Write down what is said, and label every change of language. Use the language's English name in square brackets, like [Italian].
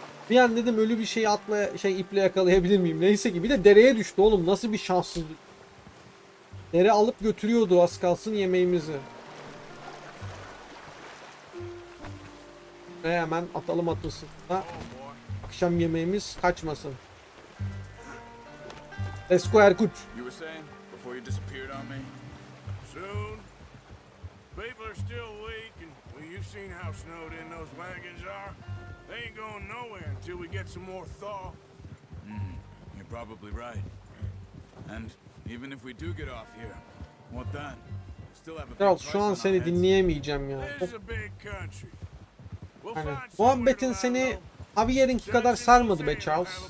[Turkish] Bir an dedim ölü bir şeyi atla, şey iple yakalayabilir miyim? Neyse ki bir de dereye düştü oğlum, nasıl bir şanssızlık. Dere alıp götürüyordu az kalsın yemeğimizi. Ve hemen atalım atlasın da akşam yemeğimiz kaçmasın. Esko Erkut. [English] You were saying before you disappeared on me. Soon. People are still weak and well, you've seen how snowed in those wagons are. They ain't going nowhere until we get some more thaw. You're probably right. And even if we do get off here, what then? Still have a big price on our heads. [Turkish] Şu an seni dinleyemeyeceğim ya. [English] This is a big country. [Turkish] Yani, muhabbetin seni Javier'inki kadar sarmadı be Charles.